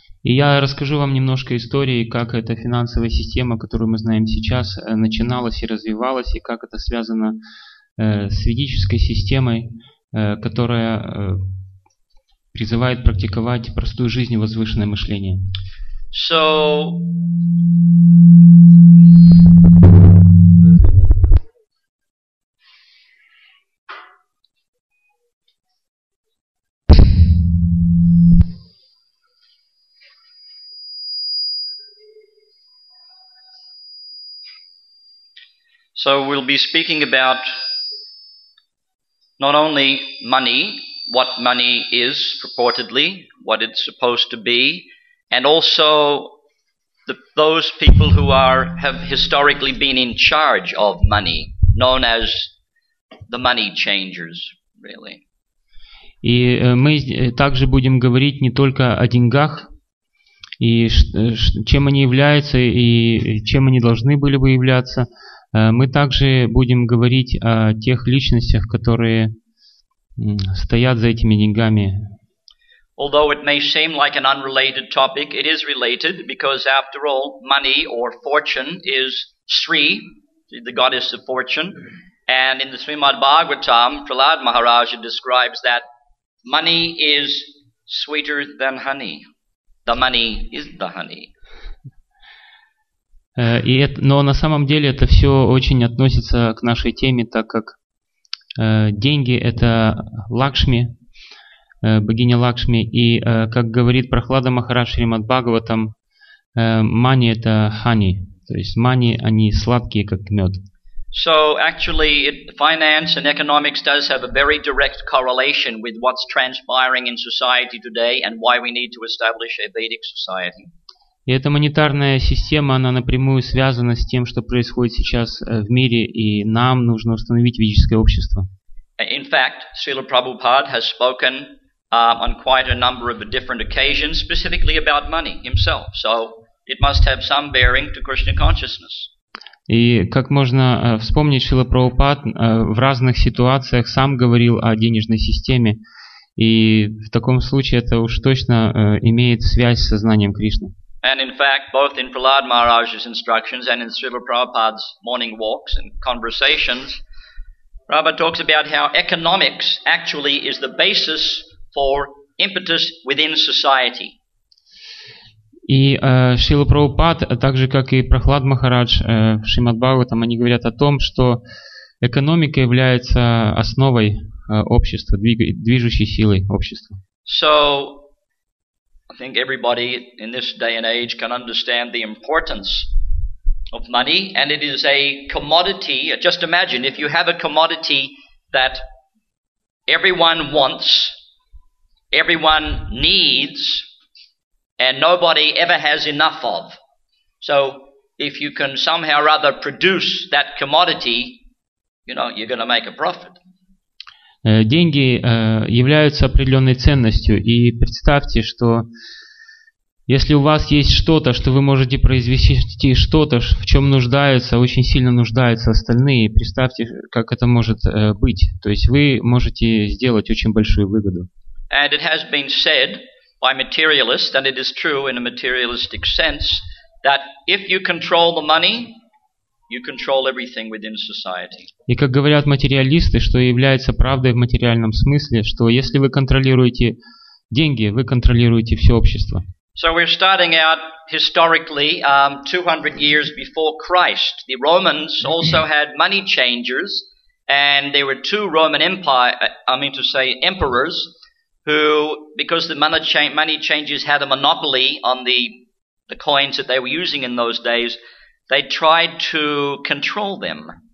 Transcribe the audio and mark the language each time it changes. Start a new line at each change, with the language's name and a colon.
Russian: И я расскажу вам немножко истории, как эта финансовая система, которую мы знаем сейчас, начиналась и развивалась, и как это связано с ведической системой, которая призывает практиковать простую жизнь и возвышенное мышление.
English: So, so we'll be speaking about not only money, what money is purportedly, what it's supposed to be, and also those people who have historically been in charge of money, known as the money changers, really.
Russian: И мы также будем говорить не только о деньгах, и чем они являются, и чем они должны были бы являться. Мы также будем говорить о тех личностях, которые стоят за этими деньгами.
English: Although it may seem like an unrelated topic, it is related because, after all, money or fortune is Sri, the goddess of fortune, and in the Srimad Bhagavatam, Prahlad Maharaja describes that money is sweeter than honey. The money is the honey.
Russian: Но на самом деле это все очень относится к нашей теме, так как деньги – это Лакшми, богиня Лакшми, и, как говорит Прахлада Махарадж Шримад Бхагаватам, мани – это хани, то есть мани, они сладкие, как мед.
English: So, actually, finance and economics does have a very direct correlation with what's transpiring in society today and why we need to establish a Vedic society.
Russian: И эта монетарная система, она напрямую связана с тем, что происходит сейчас в мире, и нам нужно установить ведическое общество.
English: In fact, Srila Prabhupada has spoken on quite a number of different occasions specifically about money himself. So it must have some bearing to Krishna consciousness.
Russian: И как можно вспомнить, Srila Prabhupada в разных ситуациях сам говорил о денежной системе, и в таком случае это уж точно имеет связь с сознанием Кришны.
English: And in fact, both in Prahlad Maharaj's instructions and in Srila Prabhupada's morning walks and conversations, Prabhupada talks about how economics actually is the basis for impetus within society.
Russian: И Шрила Прабхупад, так же как и Прахлад Махарадж в Шримад Бхагаватам, они говорят о том, что экономика является основой общества, движущей силой общества.
English: So, I think everybody in this day and age can understand the importance of money, and it is a commodity. Just imagine, if you have a commodity that everyone wants, everyone needs, and nobody ever has enough of. So if you can somehow or other produce that commodity, you know, you're going to make a profit.
Russian: Деньги являются определенной ценностью, и представьте, что если у вас есть что-то, что вы можете произвести, что-то, в чем нуждаются, очень сильно нуждаются остальные, представьте, как это может быть. То есть вы можете сделать очень большую выгоду.
English: And it has been said by materialists, and it is true in a materialistic sense, that if you control the money, you control everything within society.
Russian: И как говорят материалисты, что является правдой в материальном смысле, что если вы контролируете деньги, вы контролируете все общество.
English: So we're starting out historically 200 years before Christ. The Romans also had money changers, and there were two Roman emperors who, because the money changers had a monopoly on the coins that they were using in those days, they tried to control them.